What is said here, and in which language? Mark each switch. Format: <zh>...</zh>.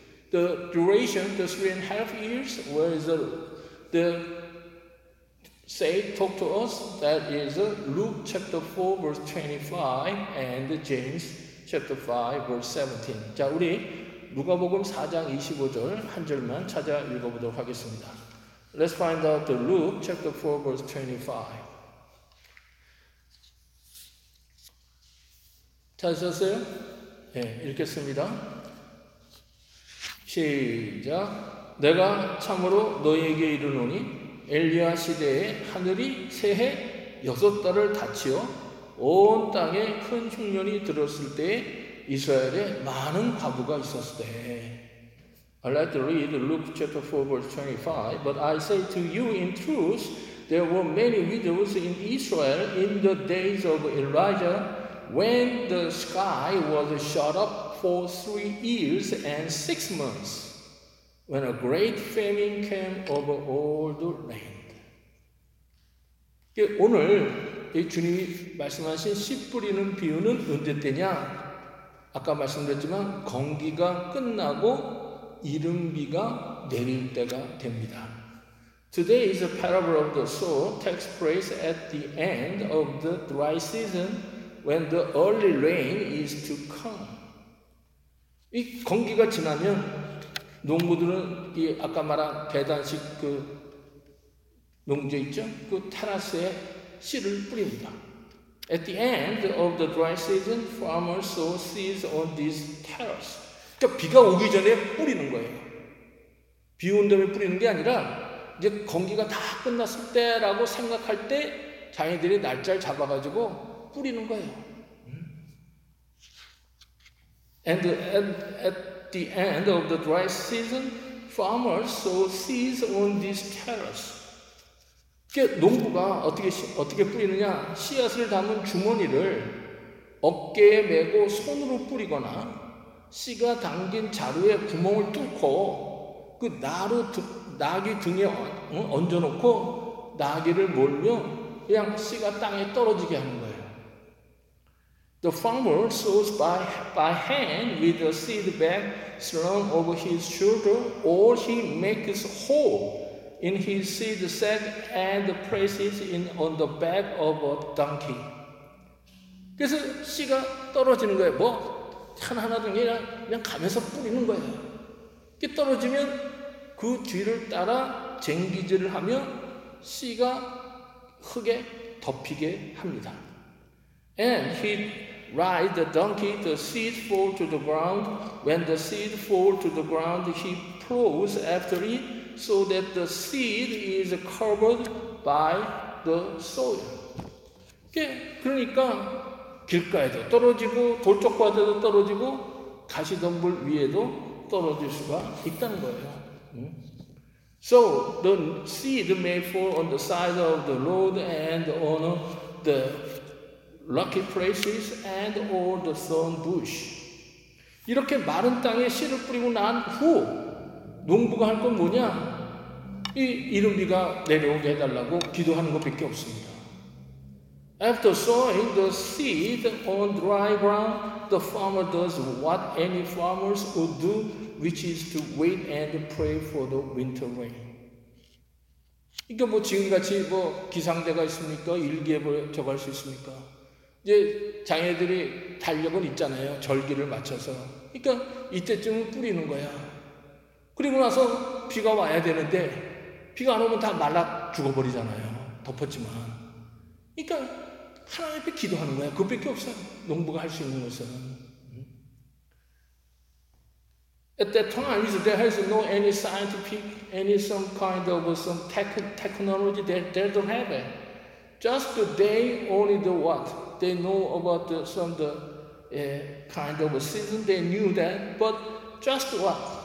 <en>The duration, the 3.5 years, was the say talk to us, that is Luke chapter 4 verse 25 and James chapter 5 verse 17.</en> <ko>자, 우리 누가복음 4장 25절 한 절만 찾아 읽어 보도록 하겠습니다.</ko> <en>Let's find out the Luke chapter 4 verse 25.</en> <ko>찾으셨어요? 예, 네, 읽겠습니다. 시작. 내가 참으로 너희에게 이르노니 엘리야 시대에 하늘이 새해 여섯 달을 다치어 온 땅에 큰 흉년이 들었을 때 이스라엘에 많은 과부가 있었을 때.</ko> <en>I'd like to read Luke chapter 4 verse 25. But I say to you in truth, there were many widows in Israel in the days of Elijah when the sky was shut up for 3 years and 6 months. When a great famine came over all the land.</en> <ko>오늘 주님이 말씀하신 씨 뿌리는 비유는 언제 때냐? 아까 말씀드렸지만 건기가 끝나고 이른비가 내릴 때가 됩니다.</ko> <en>Today is a parable of the sower takes place at the end of the dry season when the early rain is to come.</en> <ko>이 건기가 지나면 농부들은 이 아까 말한 계단식 그 농지 있죠? 그 테라스에 씨를 뿌립니다.</ko> <en>At the end of the dry season, farmers sow seeds on this terrace.</en> <ko>그러니까 비가 오기 전에 뿌리는 거예요. 비 온 다음에 뿌리는 게 아니라 이제 건기가 다 끝났을 때라고 생각할 때 자기들이 날짜를 잡아가지고 뿌리는 거예요.</ko> <en>At the end of the dry season, farmers sow seeds on this terrace.</en> <ko>그러니까 농부가 어떻게 뿌리느냐? 씨앗을 담은 주머니를 어깨에 메고 손으로 뿌리거나 씨가 담긴 자루에 구멍을 뚫고 그 나귀 등에 얹어놓고 나귀를 몰며 그냥 씨가 땅에 떨어지게 하는 거예요.</ko> <en>The farmer sows by hand with a seed bag slung over his shoulder, or he makes a hole in his seed sack and places it on the back of a donkey.</en> <ko>그래서 씨가 떨어지는 거예요. 뭐 하나하나 등이 그냥 가면서 뿌리는 거예요. 이게 떨어지면 그 뒤를 따라 쟁기질을 하며 씨가 흙에 덮이게 합니다.</ko> <en>And he ride the donkey, the seed fall to the ground. When the seed fall to the ground, he plows after it so that the seed is covered by the soil.</en> <ko>그러니까 길가에도 떨어지고 돌쪽밭에도 떨어지고 가시덤불 위에도 떨어질 수가 있다는 거예요.</ko> <en>So the seed may fall on the side of the road and on the lucky places and all the thorn bush.</en> <ko>이렇게 마른 땅에 씨를 뿌리고 난 후 농부가 할 건 뭐냐? 이 이른비가 내려오게 해달라고 기도하는 것밖에 없습니다.</ko> <en>After sowing the seed on dry ground, the farmer does what any farmers would do, which is to wait and pray for the winter rain.</en> <ko>이게 뭐 지금같이 뭐 기상대가 있습니까? 일기예보에 적어할 수 있습니까? 이제 장애들이 달력은 있잖아요. 절기를 맞춰서. 그러니까 이때쯤 뿌리는 거야. 그리고 나서 비가 와야 되는데 비가 안 오면 다 말라 죽어버리잖아요. 덮었지만. 그러니까 하나님 앞에 기도하는 거야. 그것밖에 없어요. 농부가 할 수 있는 것은.</ko> <en>At that time, there has no any scientific, any some kind of some technology that they don't have it. Just the day, only the what? They know about kind of a season, they knew that, but just what?</en>